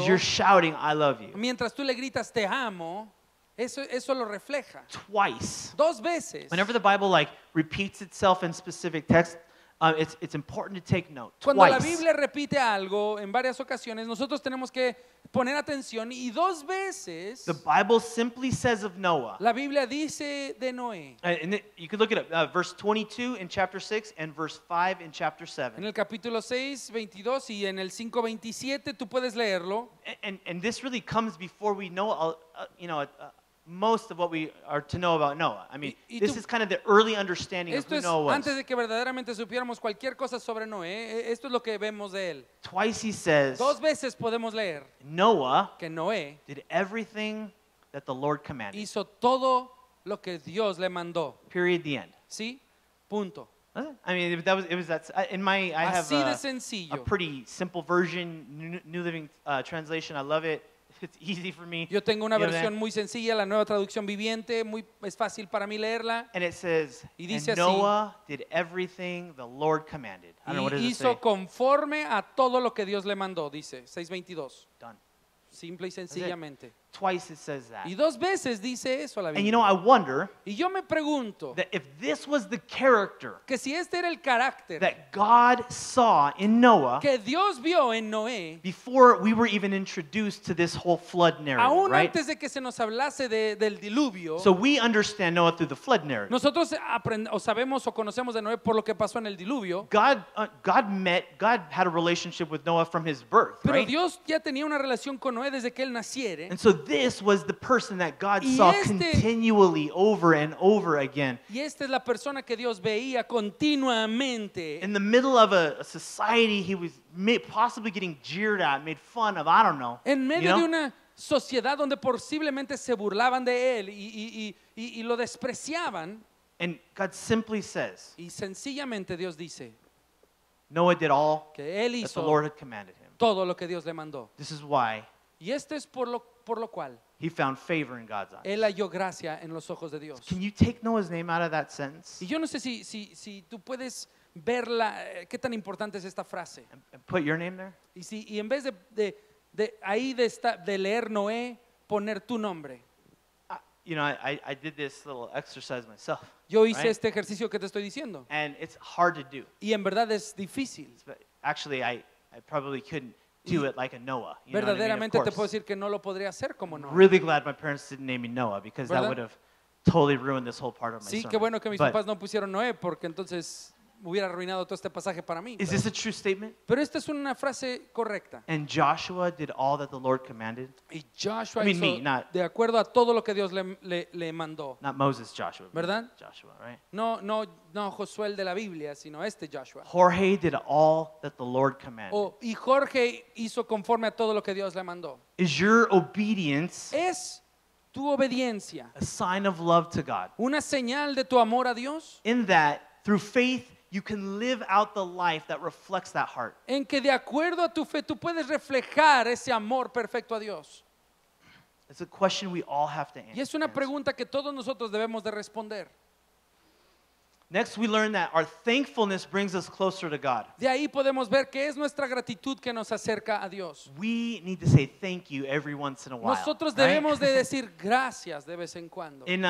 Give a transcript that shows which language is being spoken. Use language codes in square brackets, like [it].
[en] is you're shouting, "I love you." [es] Mientras tú le gritas, "Te amo." Eso lo refleja. [en] Twice. [es] Dos veces. [en] Whenever the Bible like repeats itself in specific texts, it's important to take note. Twice. [es] Cuando la Biblia repite algo en varias ocasiones, nosotros tenemos que poner atención. Y dos veces. [en] The Bible simply says of Noah. [es] La Biblia dice de Noé. [en] And you could look it up. Verse 22 in chapter 6 and verse 5 in chapter 7. [es] En el capítulo 6, 22 y en el 5, 27, tú puedes leerlo. [en] And this really comes before we know, most of what we are to know about Noah. I mean, this is kind of the early understanding of who Noah was. [es] Antes de que verdaderamente supiéramos cualquier cosa sobre Noé, esto es lo que vemos de él. [en] Twice he says, [es] dos veces podemos leer, [en] Noah [es] que Noé [en] did everything that the Lord commanded. [es] Hizo todo lo que Dios le mandó. [en] Period, the end. [es] ¿Sí? Punto. [en] I mean, I have a pretty simple version, New Living Translation. I love it. It's easy for me. [es] Yo tengo una versión muy sencilla, la Nueva Traducción Viviente, es fácil para mí leerla. [en] And it says, [es] y dice [en] and Noah did everything the Lord commanded. I don't know what does it [es] hizo [en] say. [es] Conforme a todo lo que Dios le mandó, dice 6:22. [en] Done. [es] Simple y sencillamente. [en] Twice it says that. [es] Y dos veces dice eso a la Biblia. [en] And you know, I wonder. [es] Y yo me pregunto. [en] That if this was the character. [es] Que si este era el carácter. [en] That God saw in Noah. [es] Que Dios vio en Noé. [en] Before we were even introduced to this whole flood narrative, [es] aún [en] right? [es] Antes de que se nos hablase del diluvio. [en] So we understand Noah through the flood narrative. [es] Nosotros o sabemos o conocemos de Noé por lo que pasó en el diluvio. [en] God had a relationship with Noah from his birth, [es] pero [en] right? [es] Pero Dios ya tenía una relación con Noé desde que él naciere. [en] And so this was the person that God saw continually over and over again. [es] Y esta es la persona que Dios veía continuamente. [en] In the middle of a society he was possibly getting jeered at, made fun of, I don't know. [es] En medio [en] you know? [es] De una sociedad donde posiblemente se burlaban de él y lo despreciaban. [en] And God simply says, [es] y sencillamente Dios dice, [en] Noah did all [es] que él hizo [en] that the Lord had commanded him. [es] Todo lo que Dios le mandó. [en] This is why. [es] Y este es por lo cual [en] he found favor in God's eyes. [es] Él halló gracia en los ojos de Dios. [en] Can you take Noah's name out of that sentence? [es] Y yo no sé si tú puedes ver la qué tan importante es esta frase. [en] And put your name there. [es] Y si y en vez de ahí de leer Noé, poner tu nombre. [en] You know, I did this little exercise myself. [es] Yo hice [en] right? [es] Este ejercicio que te estoy diciendo. [en] And it's hard to do. [es] Y en verdad es difícil. [en] Actually, I probably couldn't do it like a Noah. You [es] verdaderamente [en] know what I mean? [es] Te puedo decir que no lo [en] really glad my parents didn't name me Noah because [es] ¿verdad? [en] That would have totally ruined this whole part of my [es] sí, [en] sermon. [es] Qué bueno que mis papás no pusieron Noé porque entonces hubiera arruinado todo este pasaje para mí. [en] Is this a true statement? [es] Pero esta es una frase correcta. [en] And Joshua did all that the Lord commanded. [es] Y Joshua [en] I mean me, not [es] de acuerdo a todo lo que Dios le mandó. [en] Not Moses, Joshua. [es] ¿Verdad? [en] Joshua, right? [es] No Josué de la Biblia, sino este Joshua. [en] Jorge did all that the Lord commanded. [es] Y Jorge hizo conforme a todo lo que Dios le mandó. [en] Is your obedience [es] es tu obediencia [en] a sign of love to God? [es] Una señal de tu amor a Dios? [en] In that, through faith, you can live out the life that reflects that heart. [es] En que de acuerdo a tu fe tú puedes reflejar ese amor perfecto a Dios. [en] It's a question we all have to answer. [es] Y es una pregunta que todos nosotros debemos de responder. [en] Next we learn that our thankfulness brings us closer to God. [es] De ahí podemos ver que es nuestra gratitud que nos acerca a Dios. [en] We need to say thank you every once in a while. [es] Nosotros debemos [en] right? [es] de decir gracias de vez en cuando.